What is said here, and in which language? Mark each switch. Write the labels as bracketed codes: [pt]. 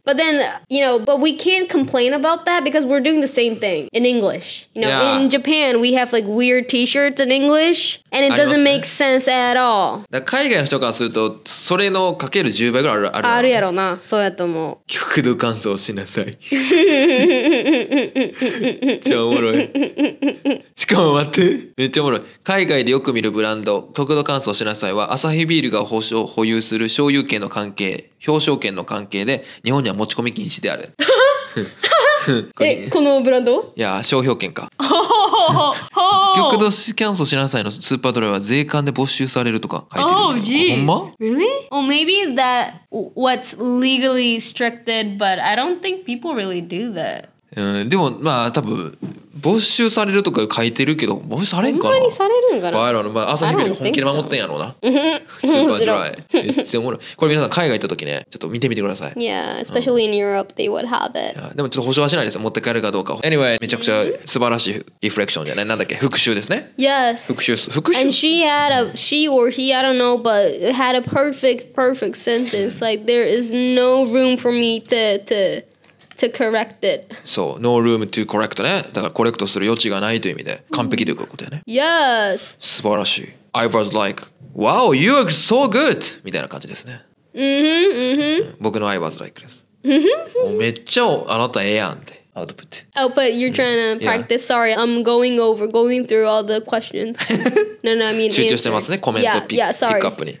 [en] But then, you know, but we can't complain about that because we're doing the same thing in English. You know,、yeah. in Japan, we have like weird T-shirts in English, and it doesn't、ね、make sense at all. [ja] だから海外の人からすると、それのかける10倍ぐらいある、ね、あるやろな。そうやと思う。極度乾燥しなさい。じゃあおもろい。しかも待って、めっちゃおもろい。海外でよく見るブランド、極度乾燥しなさいは、アサヒビールが保有する所有権の関係、表彰権の関係で、日本には持ち込み禁止である。え、このブランド？いや、商標権か。極度乾燥しなさいのスーパードライは税関で没収されるとか書いてる。ほんま？ [en] Really? Or maybe that what's legally restricted, but I don't think people really do that. [ja] でもまあ多分没収されるとか書いてるけど没収されんかな。ほんまにされるんかな。バイロン、まあ、朝日ビール本気で守ってんやろうな。面白い。めっちゃおもろい。これ皆さん海外行った時ね、ちょっと見てみてください。 [en] Yeah, especially in Europe, they would have it. [ja] でもちょっと保証はしないですよ。持って帰るかどうか。Anyway, めちゃくちゃ素晴らしいリフレクションじゃない。なんだっけ、復習ですね。 [en] Yes. [ja] 復習。 [en] And she had a, she or he, I don't know, but had a perfect, perfect sentence. Like, there is no room for me to correct it. [ja] そう、 [en] no room to correct [ja] ね。だからコレクトする余地がないという意味で完璧ということだよね。 [en] Yes. [ja] 素晴らしい。 [en] I was like, wow, you are so good! [ja] みたいな感じですね。 Mm-hmm. 僕の [en] I was like [ja] です。もうめっちゃあなたええやんって。 [en] Output. You're trying to practice. Yeah. Sorry, I'm going through all the questions. No, I mean, answers. [ja] 集中してますね。コメントピック、ピックアップに。